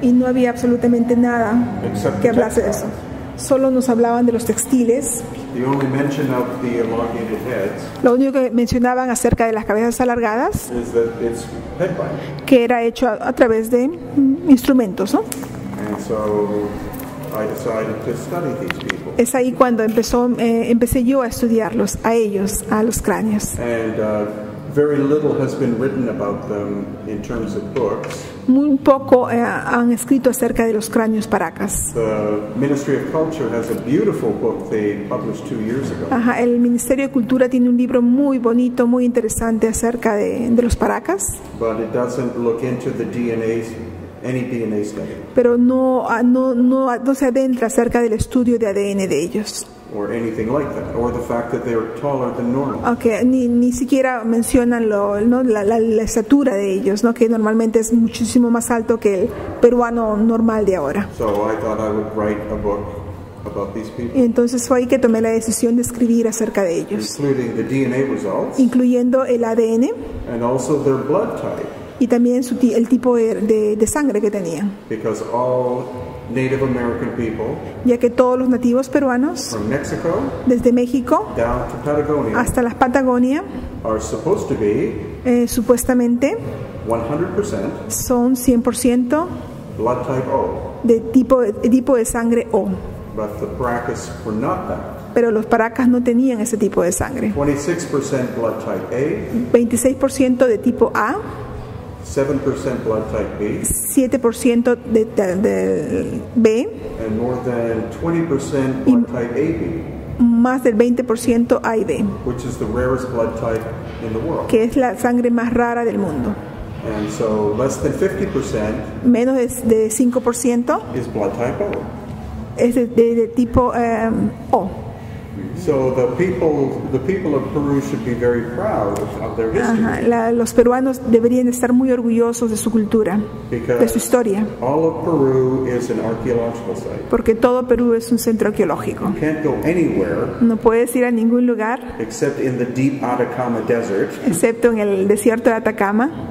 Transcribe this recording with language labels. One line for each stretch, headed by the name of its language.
Spanish: Y no había absolutamente nada que hablase de eso. Solo nos hablaban de los textiles.
English: The only mention of the elongated heads.
Spanish: Lo único que mencionaban acerca de las cabezas alargadas
English: is that it's head binding.
Spanish: Que era hecho a través de instrumentos, ¿no?
English: And so I decided to study these people.
Spanish: Es ahí cuando empecé yo a estudiarlos, a ellos, a los cráneos.
English: And very little has been written about them in terms of books.
Spanish: Muy poco han escrito acerca de los cráneos paracas.
English: The Ministry of Culture has a beautiful book they published 2 years ago.
Spanish: Ajá, el Ministerio de Cultura tiene un libro muy bonito, muy interesante acerca de los paracas.
English: But it doesn't look into the DNA, any DNA study.
Spanish: Pero no se adentra acerca del estudio de ADN de ellos.
English: Or anything like that, or the fact that they are taller than normal.
Spanish: Okay, ni siquiera mencionan lo, ¿no? La estatura de ellos, ¿no? Que normalmente es muchísimo más alto que el peruano normal de ahora.
English: So I thought I would write a book about these people.
Spanish: Y entonces fue ahí que tomé la decisión de escribir acerca de ellos.
English: Including the DNA results.
Spanish: Incluyendo el ADN.
English: And also their blood type.
Spanish: y también su el tipo de sangre que tenía.
English: Because all Native American people,
Spanish: ya que todos los nativos peruanos,
English: from Mexico,
Spanish: desde México
English: down to Patagonia,
Spanish: hasta la Patagonia,
English: are supposed to be,
Spanish: supuestamente
English: 100%,
Spanish: son 100%
English: blood type O,
Spanish: de tipo de sangre O.
English: But the Paracas were not that.
Spanish: Pero los Paracas no tenían ese tipo de sangre.
English: 26% blood type A,
Spanish: 26% de tipo A,
English: 7% blood type B,
Spanish: 7% de B,
English: and more than 20% blood type AB,
Spanish: más del 20% A y B,
English: which is the rarest blood type in the world,
Spanish: que es la sangre más rara del mundo.
English: And so less than 50%,
Spanish: menos de 5%
English: is blood type O,
Spanish: es de tipo O.
English: So the people of Peru should be very proud of their history. Uh-huh.
Spanish: Los peruanos deberían estar muy orgullosos de su cultura,
English: because
Spanish: de su historia.
English: All of Peru is an archaeological site.
Spanish: Porque todo Perú es un centro arqueológico.
English: You can't go anywhere.
Spanish: No puedes ir a ningún lugar.
English: Except in the deep Atacama Desert.
Spanish: Excepto en el desierto de Atacama.